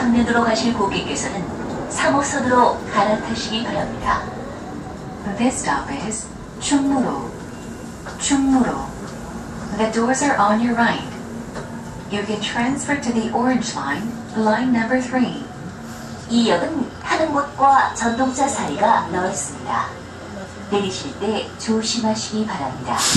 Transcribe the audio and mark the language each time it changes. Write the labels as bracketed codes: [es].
[ko] 정류장으로 가실 고객께서는 3호선으로 갈아타시기 바랍니다. [en] This stop is 충무로. [ko] 충무로. [en] The doors are on your right. You can transfer to the orange line, line number 3. [ko] 이 역은 타는 곳과 전동차 사이가 넓습니다. 내리실 때 조심하시기 바랍니다.